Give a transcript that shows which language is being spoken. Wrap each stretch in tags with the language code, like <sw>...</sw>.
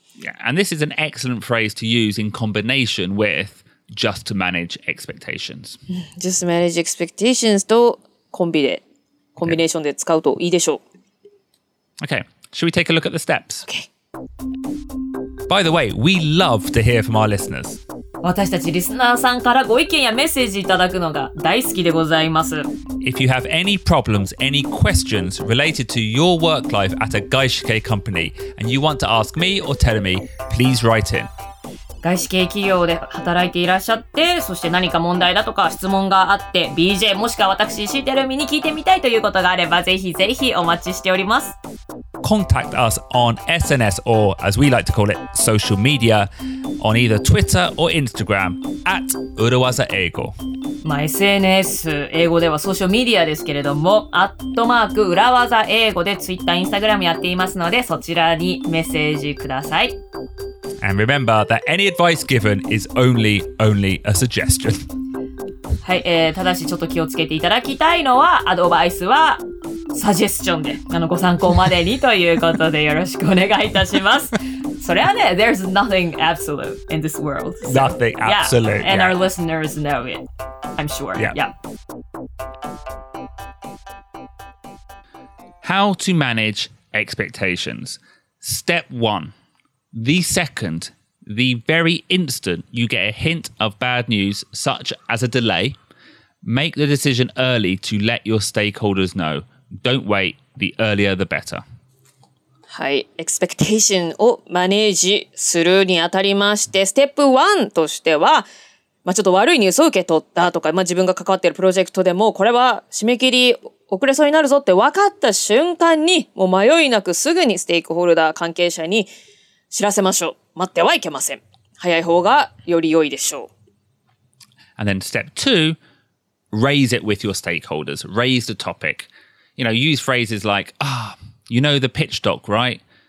<en>Yeah, and this is an excellent phrase to use in combination with just to manage expectations. Just to manage expectations</en> <ja>とコンビで、コンビネーションで使うといいでしょう。</ja> <en>Okay, should we take a look at the steps? Okay. By the way, we love to hear from our listeners.</en> <ja>私たちリスナーさんからご意見やメッセージいただくのが大好きでございます。</ja> <en>If you have any problems, any questions related to your work life at a 外資系 company and you want to ask me or Terumi, please write in.</en> <ja>外資系企業で働いていらっしゃって、そして何か問題だとか質問があって、BJ もしくは私、シーテルミに聞いてみたいということがあれば、ぜひぜひお待ちしております。</ja> <en>Contact us on SNS or, as we like to call it, social media, on either Twitter or Instagram, at Uruwaza Eigo.</en> <ja>まあ、SNS 英語ではソーシャルメディアですけれども、アットマーク裏技英語で Twitter、Instagram やっていますので、そちらにメッセージください。</ja> <en>And remember that any advice given is only a suggestion.</en> <ja>はい、ただしちょっと気をつけていただきたいのは、アドバイスはサジェスチョンで、ご参考までにということでよろしくお願いいたします。それはね、</ja> <en>There's nothing absolute in this world. Nothing absolute. Yeah. And our listeners know it, I'm sure. Yeah. Yeah. How to manage expectations. Step one. The second, the very instant you get a hint of bad news, such as a delay, make the decision early to let your stakeholders know. Don't wait. The earlier the better.</en> <ja>はい、expectation をマネージするにあたりまして、ステップ1としては、まあ、ちょっと悪いニュースを受け取ったとか、まあ、自分が関わっているプロジェクトでも、これは締め切り遅れそうになるぞって分かった瞬間に、もう迷いなくすぐにステークホルダー関係者に知らせましょう。待ってはいけません。早い方がより良いでしょう。</ja> <en>And then step 2, raise it with your stakeholders. Raise the topic. You know, use phrases like, ah,You know the pitch doc, right?</en>